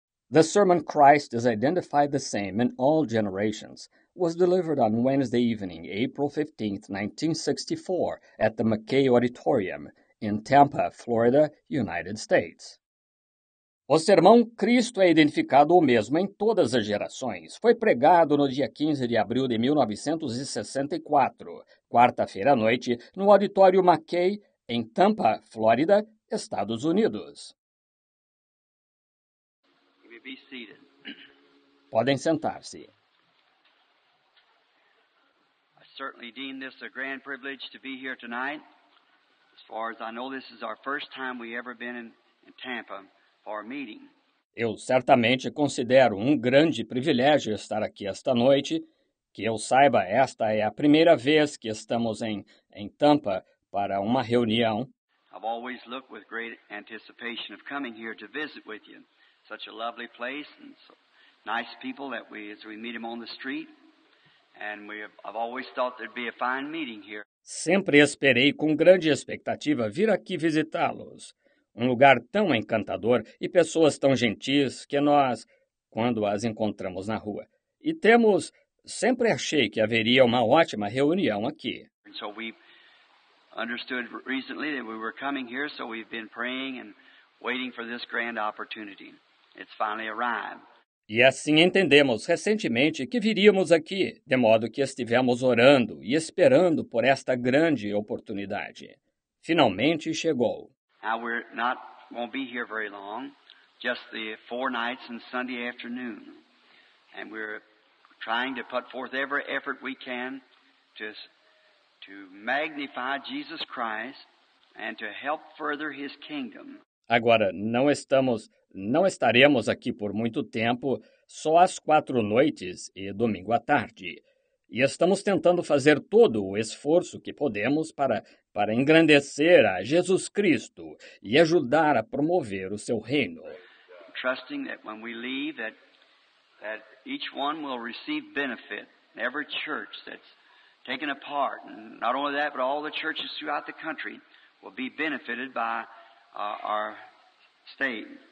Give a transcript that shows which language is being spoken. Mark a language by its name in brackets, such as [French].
[English] The sermon Christ is identified the same in all generations was delivered on Wednesday evening, April 15, 1964, at the McKay Auditorium in Tampa, Florida, United States. [Portuguese] O sermão Cristo é identificado o mesmo em todas as gerações. Foi pregado no dia 15 de abril de 1964, quarta-feira à noite, no Auditório McKay, em Tampa, Flórida, Estados Unidos. Podem sentar-se. [English] Certainly deem this a grand privilege to be here tonight. As far as I know, this is our first time we ever been in Tampa for a meeting. [Portuguese] Eu certamente considero um grande privilégio estar aqui esta noite. Que eu saiba, esta é a primeira vez que estamos em Tampa para uma reunião. [English] I've always looked with great anticipation of coming here to visit with you. Such a lovely place and so nice people that we as we meet them on the street. And I've always thought there'd be a fine meeting here. [Portuguese] Sempre esperei com grande expectativa vir aqui visitá-los. Um lugar tão encantador e pessoas tão gentis que nós, quando as encontramos na rua. E temos, sempre achei que haveria uma ótima reunião aqui. [English] And so we understood recently that we were coming here, so we've been praying and waiting for this grand opportunity. It's finally arrived. [Portuguese] E assim entendemos recentemente que viríamos aqui, de modo que estivemos orando e esperando por esta grande oportunidade. Finalmente chegou. [English] Now we're not going to be here very long, just the four nights and Sunday afternoon. And we're trying to put forth every effort we can to magnify Jesus Christ and to help further his kingdom. [Portuguese] Agora, não estaremos aqui por muito tempo, só as quatro noites e domingo à tarde. E estamos tentando fazer todo o esforço que podemos para engrandecer a Jesus Cristo e ajudar a promover o seu reino. [English] Trusting that when we leave, that each one will receive benefit. Every church that's taken apart, and not only that, but all the churches throughout the country will be benefited by our state.